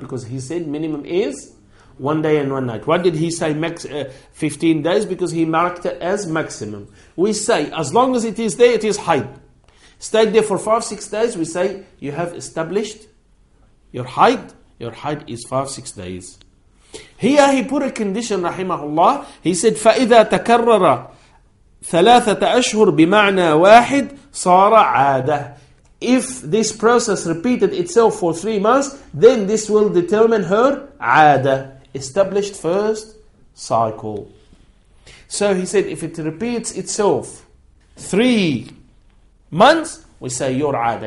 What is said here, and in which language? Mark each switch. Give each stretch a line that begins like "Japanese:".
English: Because he said minimum is one day and one night. What did he say? 15 days, because he marked it as maximum. We say, as long as it is there, it is hayd. Stayed there for 5-6 days, we say, you have established your hayd. Your hayd is 5-6 days. Here he put a condition, rahimahullah. He said,
Arabic: فَإِذَا تَكَرَّرَ ثَلَاثَةَ أَشْهُرُ بِمَعْنَى وَاحِدٍ صَارَ عَادَةٍ.
English: If this process repeated itself for 3 months, then this will determine her عَادَةٍ. Established first cycle. So he said, if it repeats itself 3 months, we say your ada.